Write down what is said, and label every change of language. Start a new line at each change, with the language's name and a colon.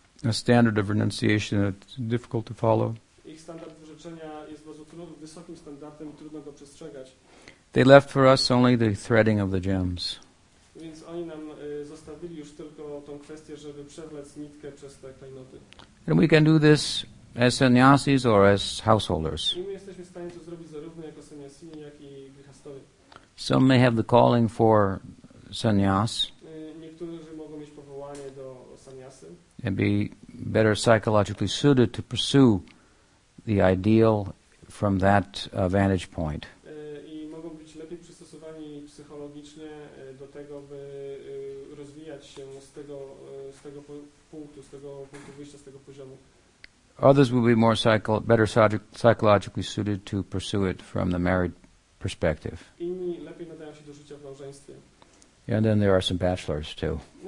English: A standard of renunciation that's difficult to follow.
Polish: Ich standard wyrzeczenia jest bardzo wysokim standardem i trudno go przestrzegać.
English: They left for us only the threading of the gems.
Polish: Więc oni nam zostawili już tylko tą kwestię, żeby przewlec nitkę przez te klejnoty.
English: And we can do this as sannyasis or as householders.
Polish: I my jesteśmy w stanie to zrobić zarówno jako sannyasini, jak i grihastowie.
English: Some may have the calling for sannyas.
Polish: Niektórzy mogą mieć powołanie do sannyasy.
English: And be better psychologically suited to pursue the ideal from that vantage point.
Polish: I mogą być lepiej przystosowani psychologicznie do tego, by rozwijać się z tego punktu, z tego punktu wyjścia, z tego poziomu.
English: Others will be more better psychologically suited to pursue it from the married perspective.
Polish: Inni lepiej nadają się do życia w małżeństwie.
English: And then there are some bachelors too.